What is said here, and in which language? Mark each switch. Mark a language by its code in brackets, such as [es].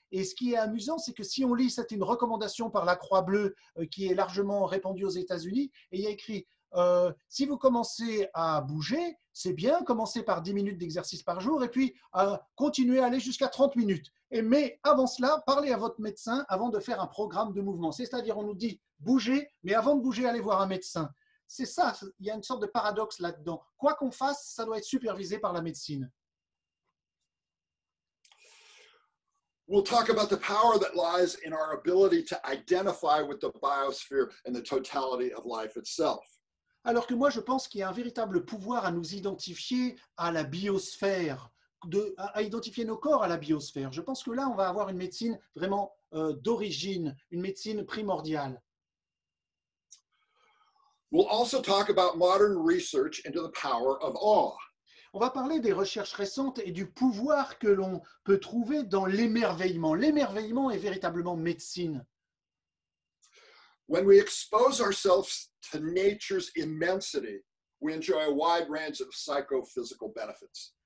[fr] Et ce qui est amusant, c'est que si on lit, c'est une recommandation par la Croix-Bleue qui est largement répandue aux États-Unis, et il y a écrit, si vous commencez à bouger, c'est bien, commencez par 10 minutes d'exercice par jour et puis continuez à aller jusqu'à 30 minutes. Mais avant cela, parlez à votre médecin avant de faire un programme de mouvement. C'est-à-dire, on nous dit bougez, mais avant de bouger, allez voir un médecin. C'est ça, il y a une sorte de paradoxe là-dedans. Quoi qu'on fasse, ça doit être supervisé par la médecine. [en] We'll talk about the power that lies in our ability to identify with the biosphere and the totality of life itself. [fr] Alors que moi, je pense qu'il y a un véritable pouvoir à nous identifier à la biosphère, à identifier nos corps à la biosphère. Je pense que là, on va avoir une médecine vraiment d'origine, une médecine primordiale. [en] We'll also talk about modern research into the power of awe. [fr] On va parler des recherches récentes et du pouvoir que l'on peut trouver dans l'émerveillement. L'émerveillement est véritablement médecine. [en] When we expose ourselves to nature's immensity, we enjoy a wide range of psychophysical benefits.